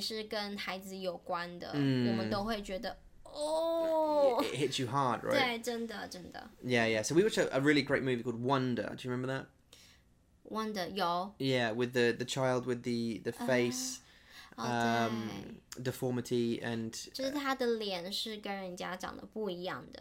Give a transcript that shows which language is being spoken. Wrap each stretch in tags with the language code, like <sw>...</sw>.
<zh>如果他有孩子，对，就是如果这个电影是跟孩子有关的，我们都会觉得</zh> <en>It hits you hard, right?</en> <zh>对，真的。</zh> <en>Yeah. So we watched a really great movie called Wonder. Do you remember that?</en> <zh>Wonder, 有.</zh> <en>Yeah, with the child with the face, deformity, and</en> <zh>就是他的脸是跟人家长得不一样的。</zh>